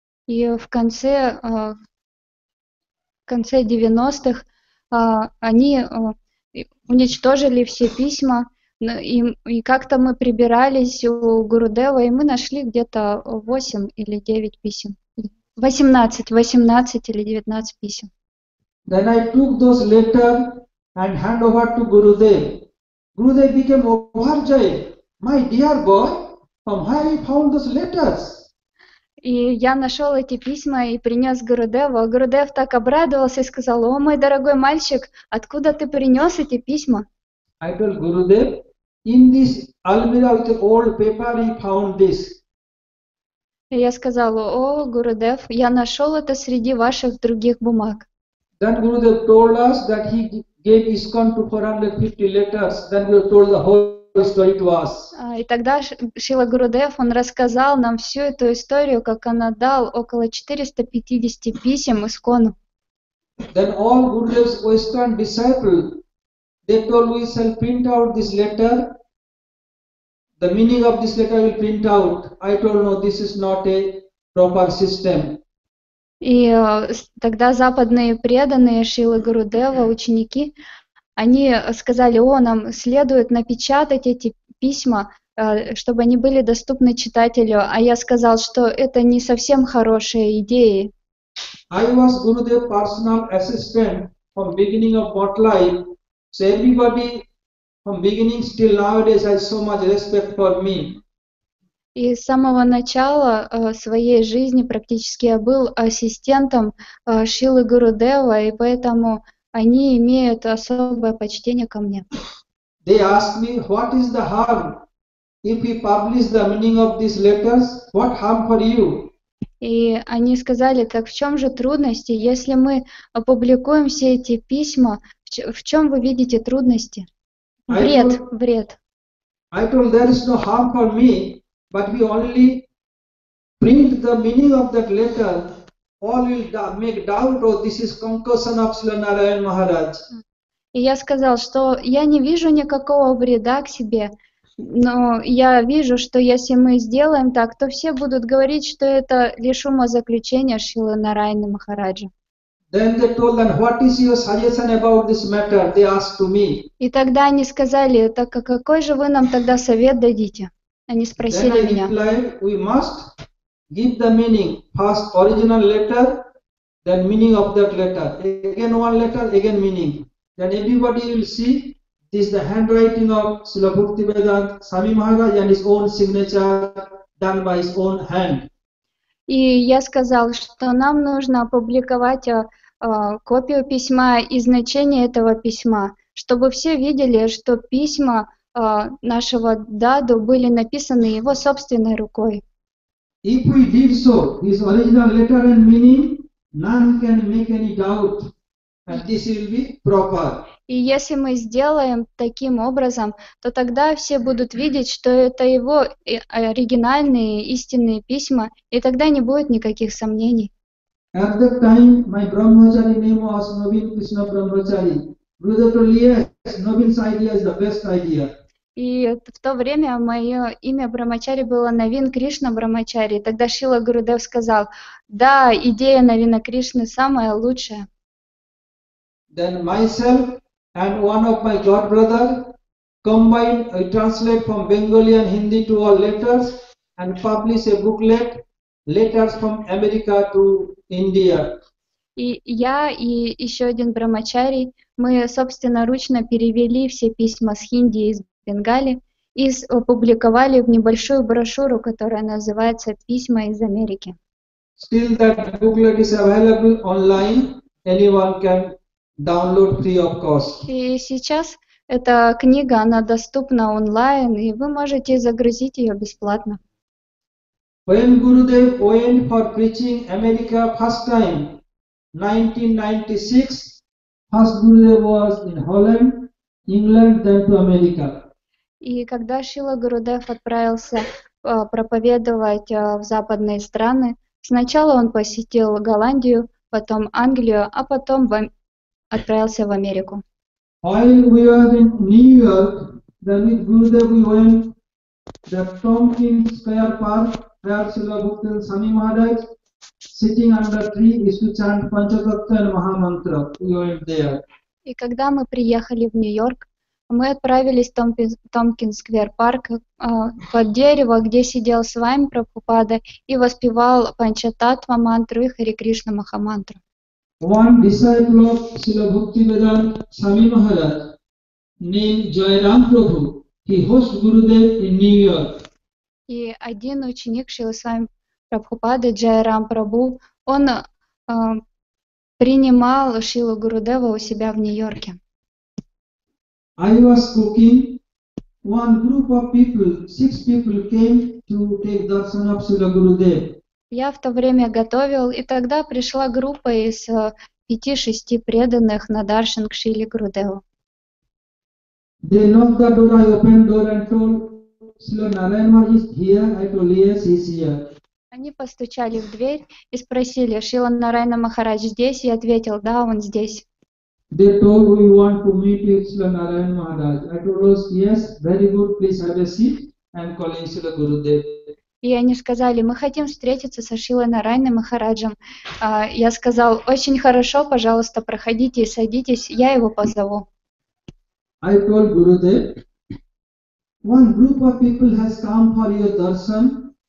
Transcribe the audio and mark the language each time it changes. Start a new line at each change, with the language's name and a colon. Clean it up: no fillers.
Russian: И в конце 90-х они уничтожили все письма, и как-то мы прибирались у Гурудева, и мы нашли где-то 8 или 9 писем. 18 или 19 писем.
English: Then I took those letters and hand over to Gurudev. Gurudev became overjoyed. My dear boy, from where you found those letters?
Russian: И я нашел эти письма и принес Гурудеву. Гурудев так обрадовался и сказал: «О, мой дорогой мальчик, откуда ты принес эти письма?»
English: I told Gurudev, in this almirah with the old paper, he found this.
Russian: И я сказал: «О, Гурудев, я нашел это среди ваших других бумаг».
English: Then Gurudev told us that he gave ISKCON to 450 letters. Then we told the whole.
Russian: И тогда Шрила Гурудев, он рассказал нам всю эту историю, как он отдал около 450 писем ИСКОНу.
English: Then all Gurudev's Western disciples, they told we shall print out this letter. The meaning of this letter will print out. I told no, this is not a proper system.
Russian: И тогда западные преданные Шрилы Гурудева, ученики, они сказали: «О, нам следует напечатать эти письма, чтобы они были доступны читателю». А я сказал, что это не совсем хорошая идея.
English: I was Gurudev's personal assistant from beginning of Bhat life. So everybody from beginning still nowadays has so much respect for me.
Russian: И с самого начала своей жизни практически я был ассистентом Шрилы Гурудева, и поэтому они имеют особое почтение ко мне.
English: They ask me, what is the harm if we publish the meaning of these letters? What harm for you?
Russian: И они сказали: так в чем же трудности, если мы опубликуем все эти письма? В чем вы видите трудности? Вред.
English: I told there is no harm for me, but we only print the meaning of that letter. All will make doubt, oh, this is concussion of Srila Narayan Maharaj.
Russian: И я сказал, что я не вижу никакого вреда к себе, но я вижу, что если мы сделаем так, то все будут говорить, что это лишь умозаключение Шрилы Нарайаны Махараджа.
English: Then they told them, what is your suggestion about this matter? They asked to me.
Russian: И тогда они сказали: так а какой же вы нам тогда совет дадите? Они спросили меня.
English: Then I replied, we must give the meaning, first original letter, then meaning of that letter. Again one letter, again meaning. Then everybody will see this is the handwriting of Srila Bhaktivedanta Swami Maharaj and his own signature done by his own hand.
Russian: И я сказал, что нам нужно опубликовать копию письма и значение этого письма, чтобы все видели, что письма нашего даду были написаны его собственной рукой.
English: If we did so, his original letter and meaning, none can make any doubt, and this will be proper.
Russian: И если мы сделаем таким образом, то тогда все будут видеть, что это его оригинальные истинные письма, и тогда не будет никаких сомнений.
English: At that time, my Brahmachari name was Navin Krishna Brahmachari. Brother told, yes, Navin's idea is the best idea.
Russian: И в то время мое имя Брамачари было Навин Кришна Брамачари. И тогда Шрила Гурудев сказал: да, идея Навина Кришны самая лучшая.
English: Then myself and one of my god brother combined, I translate from Bengali and Hindi to all letters and publish a booklet, Letters from America to India.
Russian: И я и еще один брамачари, мы собственноручно перевели все письма с хинди из Бенгали и опубликовали в небольшую брошюру, которая называется «Письма из Америки».
English: Still that booklet is available online. Anyone can download free of cost.
Russian: И сейчас эта книга, она доступна онлайн, и вы можете загрузить ее бесплатно.
English: When Gurudev went for preaching America first time, 1996, first Gurudev was in Holland, England, then to America.
Russian: И когда Шрила Гурудев отправился проповедовать в западные страны, сначала он посетил Голландию, потом Англию, а потом отправился в Америку.
English: While we were in New York, then with Gurudev we went to the Tom King Square Park, where Srila Gurudev and Sami Maharaj, sitting under tree, is to chant Panchatattva and Mahamantra. We went there.
Russian: И когда мы приехали в Нью-Йорк, мы отправились в Томпкинс Сквер Парк под дерево, где сидел с вами Прабхупада и воспевал Панчататва мантру и Хари Кришна Махамантру.
English: One disciple of Srila Bhaktivedanta Swami Maharaj named Jayaram Prabhu, he hosts Gurudev in New York.
Russian: И один ученик Шрилы Свами Прабхупады Джайрам Прабху, он принимал Шрилу Гурудева у себя в Нью-Йорке.
English: I was cooking. One group of people, six people came to take darshan of Srila Gurudev.
Russian: Я в то время готовил, и тогда пришла группа из 5-6 преданных на даршан к Шриле Гурудеву.
English: They knocked the door, I opened the door and told, Srila Narayan Maharaj is here, I told, yes, he's here.
Russian: Они постучали в дверь и спросили, Шрила Нарайана Махарадж здесь? Я ответил, да, он здесь.
English: They told we want to meet with Srila Narayan Maharaj. I told us, yes, very good, please have a seat. I'm calling Srila Gurudev.
Russian: И они сказали, мы хотим встретиться со Шрилой Нарайаной Махараджем. Я сказал, очень хорошо, пожалуйста, проходите и садитесь, я его позову.
English: I told Gurudev, one group of people has come for your darshan.